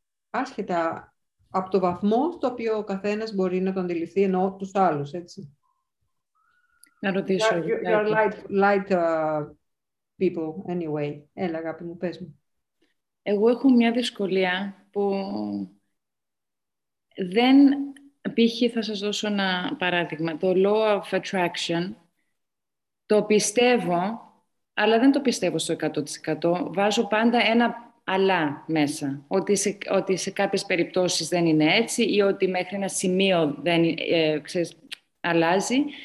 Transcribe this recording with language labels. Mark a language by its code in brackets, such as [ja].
[el] Άσχετα από το βαθμό στο οποίο ο καθένας μπορεί να το αντιληφθεί, ενώ τους άλλους, έτσι. Να ρωτήσω. [en] You're light people, anyway. [el] Έλα, αγάπη μου, πες μου. Εγώ έχω μια δυσκολία που δεν... Π.χ. θα σας δώσω ένα παράδειγμα. Το Law of Attraction το πιστεύω, αλλά δεν το πιστεύω στο 100%. Βάζω πάντα ένα αλλά μέσα. Ότι σε κάποιες περιπτώσεις δεν είναι έτσι ή ότι μέχρι ένα σημείο δεν αλλάζει.